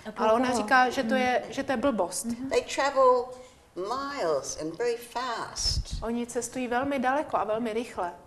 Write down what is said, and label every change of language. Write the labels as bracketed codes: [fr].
[cs] Ale ona říká, že to je blbost. [en] They travel miles and very fast. [cs] Oni cestují velmi daleko a velmi rychle.